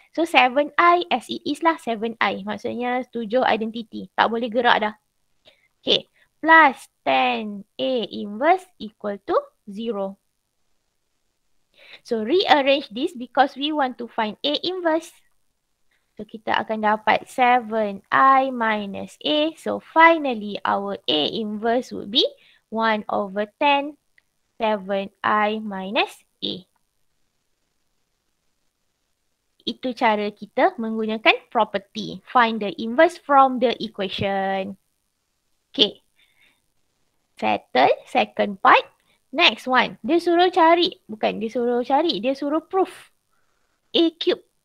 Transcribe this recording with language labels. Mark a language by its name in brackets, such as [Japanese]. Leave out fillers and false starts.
[Malay] So 7i [English] as it is [Malay] lah, 7i. Maksudnya 7 identity, tak boleh gerak dah. [English] Okay, plus 10a inverse equal to 0. So rearrange this because we want to find a inverse. [Malay] So kita akan dapat [English] 7i minus a. So finally our a inverse would be 1 over 10 7i minus a. [Malay] Itu cara kita menggunakan property. [English] Find the inverse from the equation. Okay. Settle second part. Next one. [Malay] Dia suruh cari. Bukan dia suruh cari. Dia suruh proof. A cube.